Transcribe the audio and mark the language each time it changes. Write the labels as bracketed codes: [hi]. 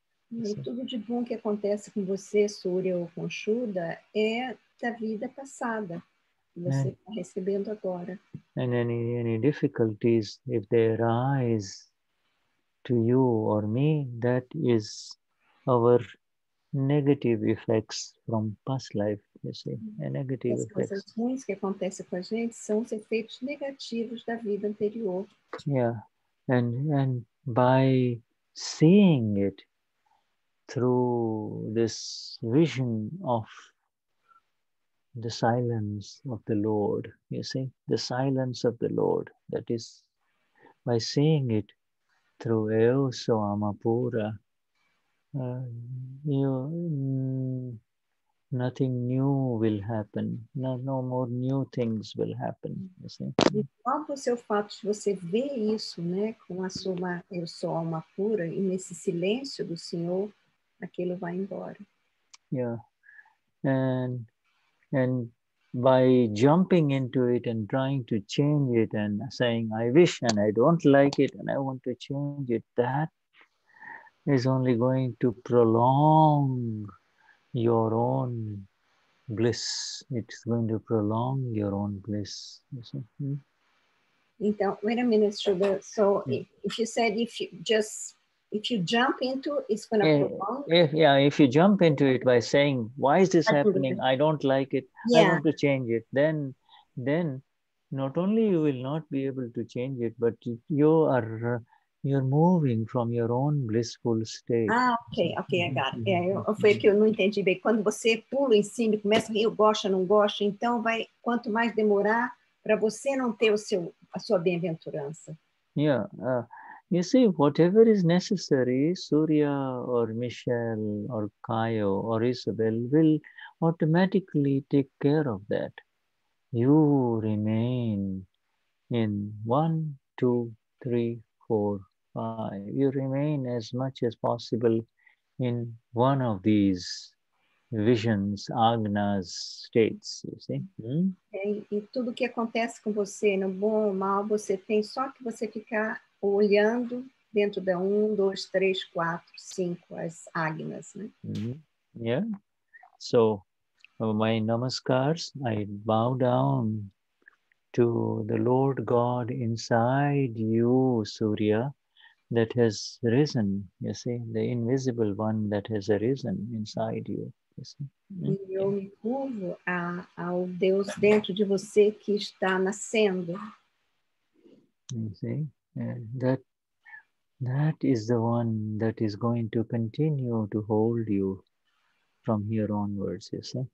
[pt] E tudo de bom que acontece com você, Surya ou com Shuddha, é da vida passada. Você está recebendo agora. [en] And any difficulties, if they arise to you or me, that is our negative effects from past life, you see, a negative effect. [pt] As coisas ruins que acontecem com a gente são os efeitos negativos da vida anterior. [en] Yeah, and by seeing it through this vision of the silence of the Lord, you see, the silence of the Lord, that is, by seeing it through Eoso Amapura, nothing new will happen. No more new things will happen. You see? [pt] Qual é o seu fato de você ver isso, né, com a sua alma pura e nesse silêncio do Senhor, aquilo vai embora. [en] Yeah, and by jumping into it and trying to change it and saying I wish and I don't like it and I want to change it, that is only going to prolong your own bliss. It's going to prolong your own bliss. You see? Então, wait a minute, Shuddha. So, if you jump into it by saying, why is this happening? I don't like it. Yeah. I want to change it. Then, not only you will not be able to change it, but you're moving from your own blissful state. Ah, okay, I got it. [pt] Foi que eu não entendi bem. Quando você pula em cima e começa a rir, gosta, não gosta, então vai, quanto mais demorar para você não ter a sua bem-aventurança. [en] Yeah. You see, whatever is necessary, Surya or Michelle or Caio or Isabel will automatically take care of that. You remain in one 1, 2, 3, 4, 5. You remain as much as possible in one of these visions, agnas, states, you see. Mm-hmm. [pt] E tudo que acontece com você, no bom ou mal, você tem só que você ficar olhando dentro da 1, 2, 3, 4, 5, as agnas, né? [en] Mm-hmm. Yeah. So, my namaskars, I bow down to the Lord God inside you, Surya, that has risen, you see, the invisible one that has arisen inside you. Mm-hmm. [pt] E eu me curvo ao Deus dentro de você que está nascendo. [en] You see, that is the one that is going to continue to hold you from here onwards, you see.